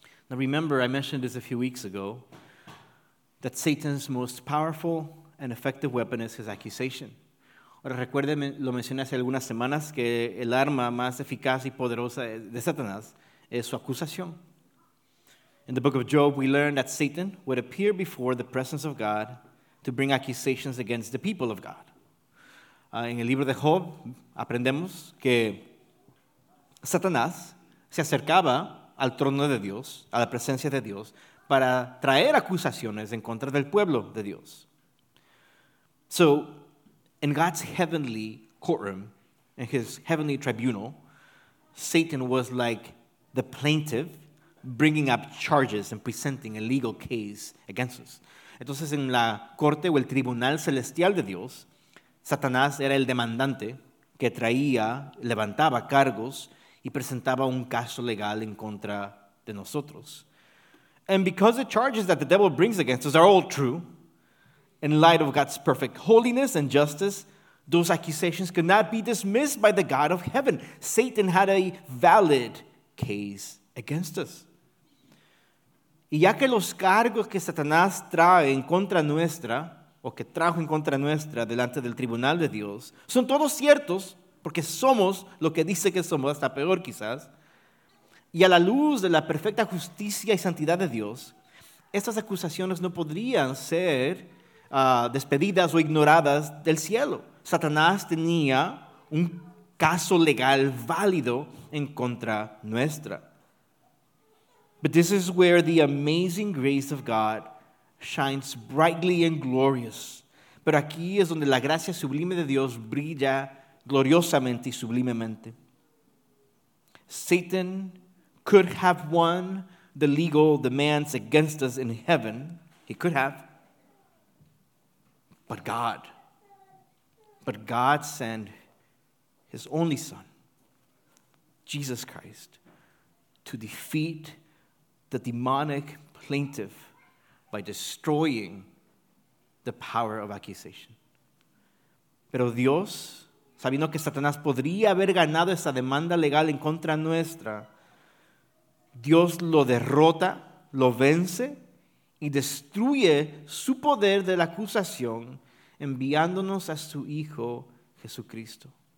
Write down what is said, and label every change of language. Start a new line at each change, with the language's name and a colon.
English: Now remember, I mentioned this a few weeks ago, that Satan's most powerful and effective weapon is his accusation.
Spanish: Ahora recuerden, lo mencioné hace algunas semanas, que el arma más eficaz y poderosa de Satanás es su acusación.
English: In the book of Job, we learn that Satan would appear before the presence of God to bring accusations against the people of God.
Spanish: En el libro de Job, aprendemos que Satanás se acercaba al trono de Dios, a la presencia de Dios, para traer acusaciones en contra del pueblo de Dios.
English: So, in God's heavenly courtroom, in his heavenly tribunal, Satan was like the plaintiff bringing up charges and presenting a legal case against us.
Spanish: Entonces, en la corte o el tribunal celestial de Dios, Satanás era el demandante que traía, levantaba cargos y presentaba un caso legal en contra de nosotros.
English: And because the charges that the devil brings against us are all true, in light of God's perfect holiness and justice, those accusations could not be dismissed by the God of heaven. Satan had a valid case against us.
Spanish: Y ya que los cargos que Satanás trae en contra nuestra, o que trajo en contra nuestra delante del tribunal de Dios, son todos ciertos, porque somos lo que dice que somos, hasta peor quizás, y a la luz de la perfecta justicia y santidad de Dios, estas acusaciones no podrían ser despedidas o ignoradas del cielo. Satanás tenía un caso legal válido en contra nuestra.
English: But this is where the amazing grace of God shines brightly and glorious.
Spanish: Pero aquí es donde la gracia sublime de Dios brilla gloriosamente y sublimemente.
English: Satan could have won the legal demands against us in heaven. He could have. But God sent his only son, Jesus Christ, to defeat the demonic plaintiff by destroying the power of accusation.
Spanish: Pero Dios, sabiendo que Satanás podría haber ganado esa demanda legal en contra nuestra, Dios lo derrota, lo vence y destruye su poder de la acusación enviándonos a su Hijo Jesucristo.